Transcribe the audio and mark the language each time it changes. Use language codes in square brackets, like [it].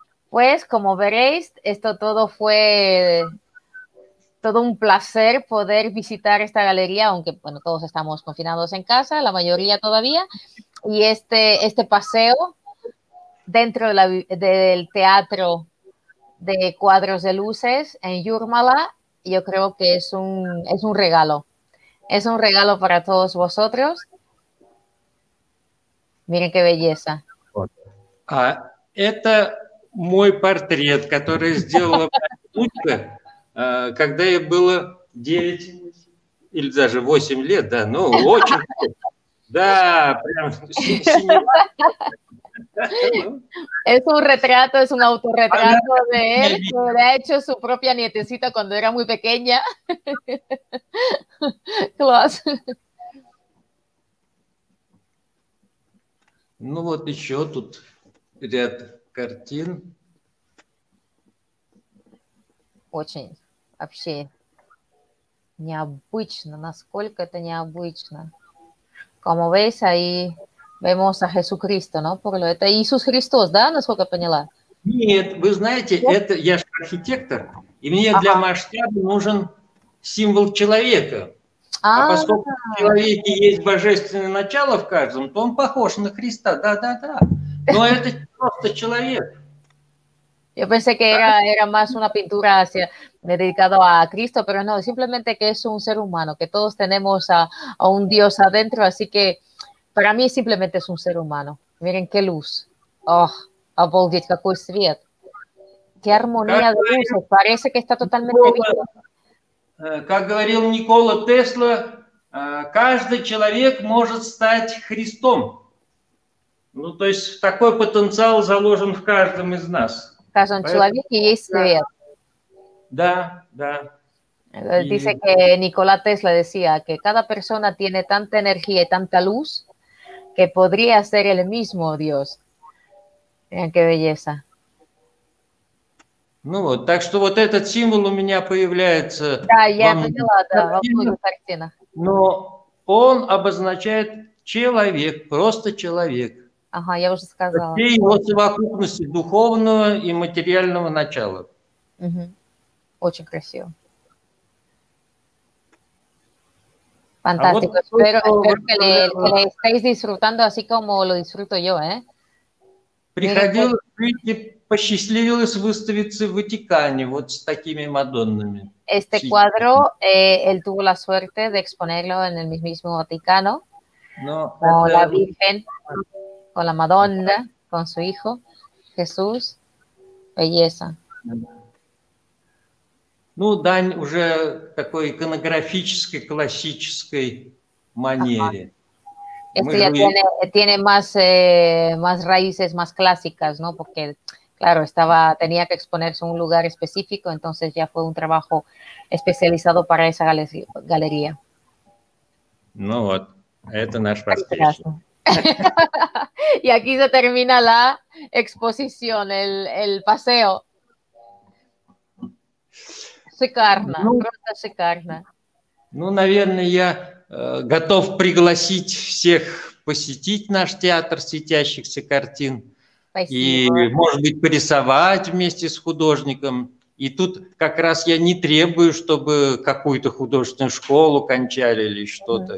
[es] Pues, como veréis, esto todo fue todo un placer poder visitar esta galería, aunque, bueno, todos estamos confinados en casa, la mayoría todavía, y este paseo dentro de del teatro de cuadros de luces en Jurmala, yo creo que es un regalo. Es un regalo para todos vosotros. Miren qué belleza. [ru] А это мой портрет, который сделала внучка, когда ей было 9 или даже 8 лет, да, ну, очень. Да, прям синева. [es] Es un retrato, es un autorretrato de él, que lo ha hecho su propia nietecita cuando era muy pequeña. [ru] Класс. Ну вот еще тут ряд картин. Очень вообще необычно, насколько это необычно. [es] Como veis ahí. Vemos a Jesucristo, ¿no? Porque [ru] это Иисус Христос, да, насколько поняла? Нет, вы знаете, это я же архитектор, и мне ага. Для масштаба нужен символ человека. А-а-а. А поскольку в человеке есть божественное начало в каждом, то он похож на Христа, да-да-да. Но это просто человек. [es] Yo pensé que era más una pintura hacia, dedicada a Cristo, pero no, simplemente que es un ser humano, que todos tenemos a un Dios adentro, así que para mí simplemente es un ser humano. Miren qué luz. [ru] Oh, обалдеть, какой свет. [es] Qué armonía de luz. Parece que está totalmente bien. [ru] Как говорил Никола Тесла, каждый человек может стать Христом. Ну, то есть такой потенциал заложен в каждом из нас. Каждый человек и есть свет. Да, да. [es] Dice que Никола Тесла decía que cada persona tiene tanta energía y tanta luz que podría ser el mismo Dios. Miren qué belleza. [ru] Ну вот, так что вот этот символ у меня появляется Да, я во многих поняла, да, во многих картинах. но он обозначает человек, просто человек. Ага, я уже сказала. Все его совокупности духовного и материального начала. Угу. Очень красиво. [es] Fantástico. Espero que le estéis disfrutando así como lo disfruto yo, [ru] Приходилось выйти, посчастливилось выставиться в Ватикане вот с такими мадоннами. [es] Este cuadro, él tuvo la suerte de exponerlo en el mismo Vaticano, no, con [ru] это... [es] la Virgen, con la Madonna, con su hijo, Jesús. Belleza. [ru] Ну, дань уже такой иконографической, классической манере. [es] Este ya tiene más, más raíces, más clásicas, ¿no? Porque, claro, tenía que exponerse en un lugar específico, entonces ya fue un trabajo especializado para esa galería. [ru] Ну вот, это наш Прекрасно. [es] Y aquí se termina la exposición, el paseo. [ru] Шикарно, ну, просто шикарно. Ну, наверное, я готов пригласить всех посетить наш театр светящихся картин. Спасибо. И, может быть, порисовать вместе с художником. И тут как раз я не требую, чтобы какую-то художественную школу кончали или что-то.